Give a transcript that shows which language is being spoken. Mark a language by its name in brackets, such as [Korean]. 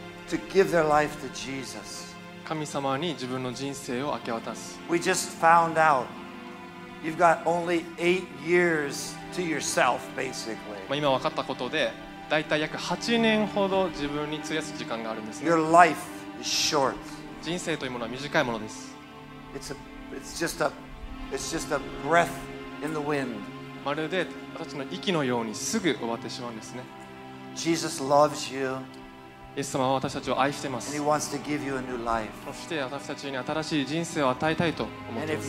[English] To give their life to Jesus. [Japanese] 神様に自分の人生を明け渡す。 [English] We just found out you've got only 8 years to yourself, basically. [Japanese] まあ今分かったことで、だいたい約8年ほど自分に費やす時間があるんですね。 [English] Your life is short. [Japanese] 人生というものは短いものです。 [English] It's just a breath in the wind. [Japanese] まるで私の息のようにすぐ終わってしまうんですね。 [English] Jesus loves you. [Japanese] イエス様は私たちを愛しています。そして私たちに新しい人生を与えたいと思っています。